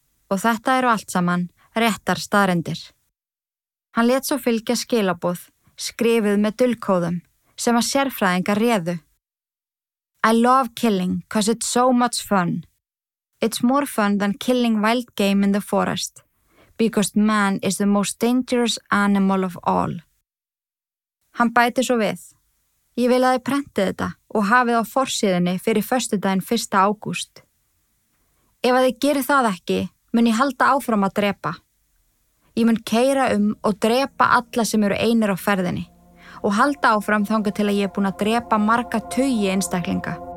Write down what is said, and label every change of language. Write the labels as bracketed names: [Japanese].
[Icelandic] Og þetta eru allt saman réttar staðrendir. Hann lét svo fylgja skilaboð, skrifuð með dulkóðum, sem að sérfræðingar réðu. [English] I love killing because it's so much fun. It's more fun than killing wild game in the forest, because man is the most dangerous animal of all. [Icelandic] Hann bæti svo við. Ég vil að þið prentið þetta og hafið á forsíðinni fyrir föstudaginn 1. ágúst. Ef að þið gerir það ekki, mun ég halda áfram að drepa. Ég mun keyra og drepa alla sem eru einir á ferðinni og halda áfram þangað til að ég búin að drepa marga tugi einstaklinga.